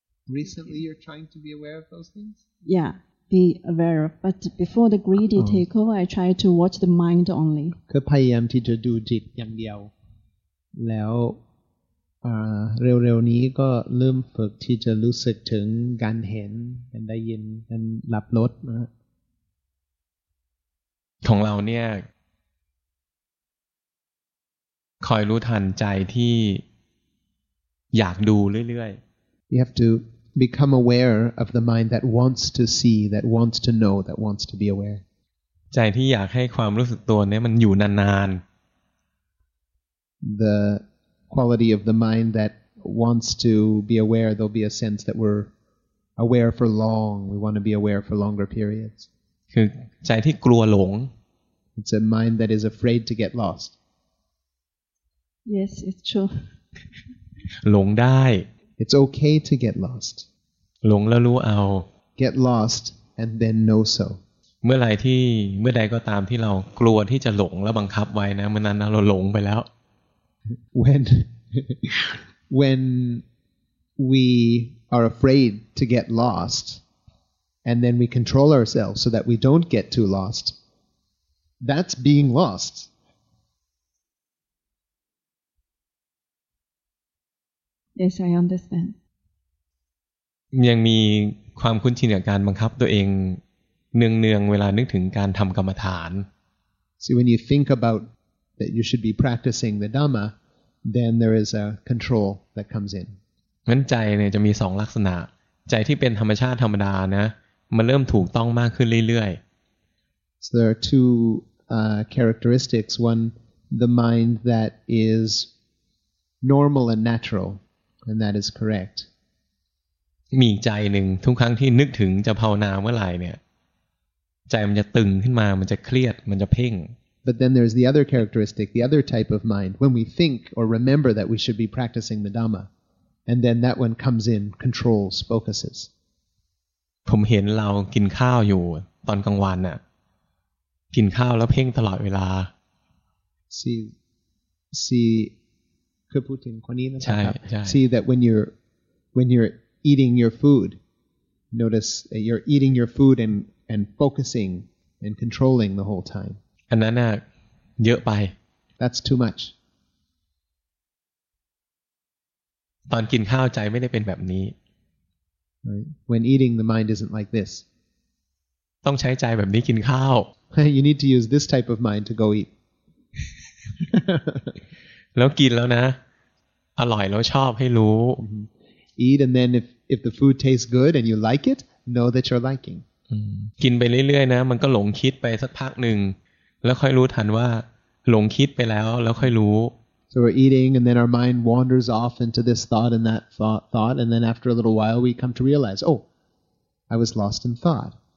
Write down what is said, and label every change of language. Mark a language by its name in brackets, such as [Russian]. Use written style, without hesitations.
[English] Recently, you're trying to be aware of those things? Yeah, be aware of. But before the greedy takeover, I try to watch the mind only. [Thai] คือพยายามที่จะดูจิตอย่างเดียวแล้วเร็วๆนี้ก็เริ่มฝึกที่จะรู้สึกถึงการเห็นการได้ยินการรับรสนะ ของเราเนี่ยคอยรู้ทันใจที่อยากดูเรื่อย [English] ๆ You have to become aware of the mind that wants to see, that wants to know, that wants to be aware. [Thai] ใจที่อยากให้ความรู้สึกตัวเนี่ยมันอยู่นาน [English] ๆ The quality of the mind that wants to be aware, there'll be a sense that we're aware for long. We want to be aware for longer periods. [Thai] คือใจที่กลัวหลง [English] It's a mind that is afraid to get lost. Yes, it's true. [Thai] หลงได้ [English] It's okay to get lost. [Thai] หลงแล้วรู้เอา [English] Get lost and then know so. [Thai] เมื่อใดก็ตามที่เรากลัวที่จะหลงแล้วบังคับไว้นะเมื่อนั้นเราหลงไปแล้ว [English] when we are afraid to get lost, and then we control ourselves so that we don't get too lost, that's being lost. Yes, I understand. [Thai] ยังมีความคุ้นชินกับการบังคับตัวเองเนืองๆเวลานึกถึงการทำกรรมฐาน [English] See, when you think about that you should be practicing the Dhamma, then there is a control that comes in. [Thai] งั้นใจเนี่ยจะมีสองลักษณะใจที่เป็นธรรมชาติธรรมดานะมันเริ่มถูกต้องมากขึ้นเรื่อย [English] ๆ So there are two characteristics. One, the mind that is normal and natural, and that is correct. [Thai] มีใจนึงทุกครั้งที่นึกถึงจะภาวนาเมื่อไหร่เนี่ยใจมันจะตึงขึ้นมามันจะเครียดมันจะเพ่ง [English] But then there's the other characteristic, the other type of mind, when we think or remember that we should be practicing the Dhamma, and then that one comes in, controls, focuses. [Thai] ผมเห็นเรากินข้าวอยู่ตอนกลางวันน่ะกินข้าวแล้วเพ่งตลอดเวลา [English] See [Thai] คือพูดถึงคนนี้นะครับ ใช่ [English] See that when you'reeating your food notice that you're eating your food and focusing and controlling the whole time [Thai] อันนั้นอ่ะเยอะไป [English] that's too much [Thai] ตอนกินข้าวใจไม่ได้เป็นแบบนี้ [English] right when eating the mind isn't like this [Thai] ต้องใช้ใจแบบนี้กินข้าว [English] you need to use this type of mind to go eat [Thai] แล้วกินแล้วนะอร่อยแล้วชอบให้รู้ mm-hmm. [English] Eat and then if the food tastes good and you like it, know that you're liking. [Thai] กินไปเรื่อยๆนะมันก็หลงคิดไปสักพักนึงแล้วค่อยรู้ทันว่าหลงคิดไปแล้วแล้วค่อยรู้ [English] So we're eating and then our mind wanders off into this thought and that thought and then after a little while we come to realize, oh, I was lost in thought.